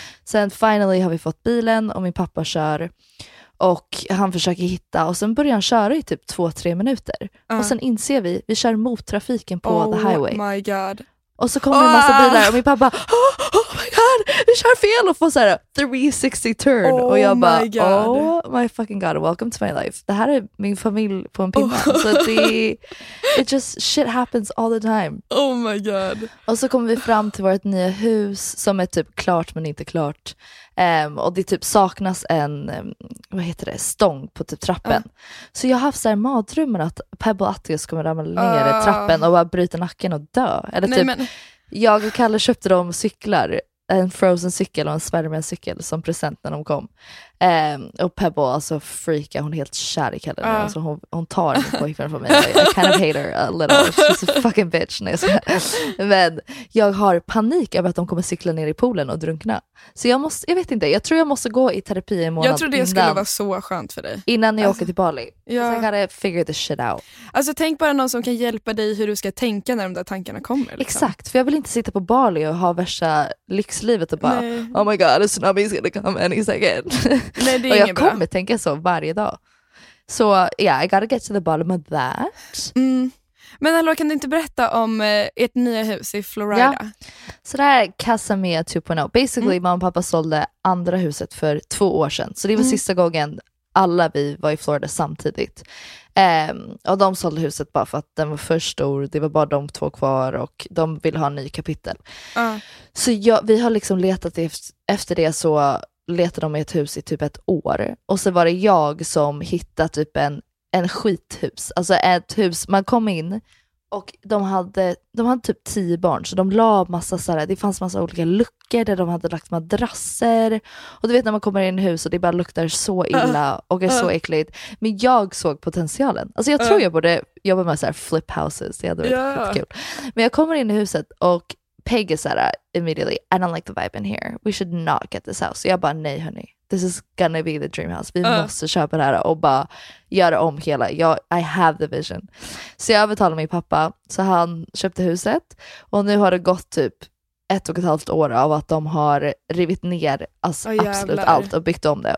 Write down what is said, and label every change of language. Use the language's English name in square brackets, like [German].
[Swedish] Sen finally har vi fått bilen och min pappa kör och han försöker hitta och sen börjar han köra i typ 2-3 minuter. Och sen inser vi kör mot trafiken på [English] the highway. Oh my god. [Swedish] Och så kommer en massa bilar och min pappa, [English] oh my god, [Swedish] vi kör fel och får så här [English] 360 turn. [Swedish] Och jag bara, [English] oh my fucking god, welcome to my life. [Swedish] Det här är min familj på en pinne. [English] Så it just shit happens all the time. Oh my god. [Swedish] Och så kommer vi fram till vårt nya hus som är typ klart men inte klart. Och det typ saknas en vad heter det, stång på typ trappen. Så jag har haft såhär matrummen att Pebble Atticus kommer ramla ner i trappen och bara bryta nacken och dö. Eller nej, typ, men... jag och Kalle köpte dem cyklar, en Frozen cykel och en Spiderman cykel som present när de kom. Och Pebble, alltså freaka, hon är helt kär i Kalle. Alltså, hon tar en pojkvän från mig. [English] I kind of hate her a little. She's a fucking bitch. [Swedish] Men jag har panik över att de kommer cykla ner i poolen och drunkna. Så jag måste, jag vet inte, jag tror jag måste gå i terapi i månad. Jag tror det innan, skulle vara så skönt för dig. Innan jag åker till Bali. Ja. Så jag [English] gotta figure this shit out. [Swedish] Alltså tänk bara någon som kan hjälpa dig hur du ska tänka när de där tankarna kommer. Liksom. Exakt, för jag vill inte sitta på Bali och ha värsta lyxlivet och bara, nej. [English] Oh my god, a tsunami is gonna come any second. [Swedish] Nej, det är och jag kommer bra. Tänka så varje dag. [English] Så yeah, I gotta get to the bottom of that. Mm. [Swedish] Men hallå, kan du inte berätta om ett nya hus i Florida? Ja. Så det här är Casa Mia 2.0. Basically, mamma och pappa sålde andra huset för 2 år sedan. Så det var sista gången alla vi var i Florida samtidigt. Och de sålde huset bara för att den var för stor. Det var bara de två kvar och de vill ha en ny kapitel. Vi har liksom letat efter det så... letade de i ett hus i typ ett år. Och så var det jag som hittade typ en skithus. Alltså ett hus, man kom in och de hade typ 10 barn. Så de la massa såhär, det fanns massa olika luckor där de hade lagt madrasser. Och du vet när man kommer in i hus och det bara luktar så illa och är så äckligt. Men jag såg potentialen. Alltså jag tror jag borde jobba med såhär [English] flip houses. [Swedish] Det hade varit jättekul. Men jag kommer in i huset och [English] Peg is at immediately, I don't like the vibe in here. We should not get this house. [Swedish] Så jag bara, nej hörni, [English] this is gonna be the dream house. [Swedish] Vi måste köpa det här och bara göra om hela. [English] I have the vision. [Swedish] Så jag övertalade min pappa, så han köpte huset. Och nu har det gått typ 1,5 år av att de har rivit ner absolut allt och byggt om det.